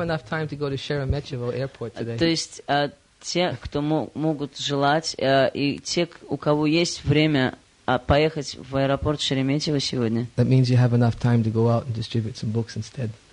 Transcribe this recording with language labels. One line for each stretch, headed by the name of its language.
English: enough time to go to Sheremetyevo airport today.
Russian: То есть те, кто могут желать, и те, у кого есть время поехать в аэропорт Шереметьево сегодня.
English: That means you have enough time to go out and distribute some books instead.